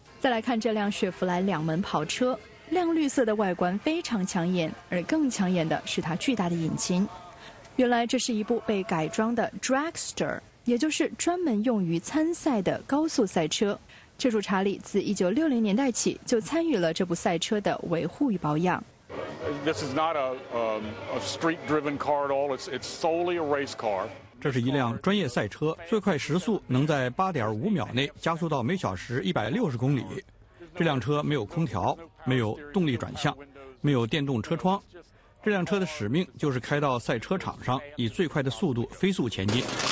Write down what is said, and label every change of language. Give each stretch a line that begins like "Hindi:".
Chinese: 再来看这辆雪佛兰两门跑车，亮绿色的外观非常抢眼，而更抢眼的是它巨大的引擎。原来这是一部被改装的 dragster，也就是专门用于参赛的高速赛车。车主查理自1960年代起就参与了这部赛车的维护与保养。
English: This is not a street-driven car at all. It's solely a race car.
Chinese: 这是一辆专业赛车，最快时速能在8.5秒内加速到每小时160公里。这辆车没有空调，没有动力转向，没有电动车窗。这辆车的使命就是开到赛车场上，以最快的速度飞速前进。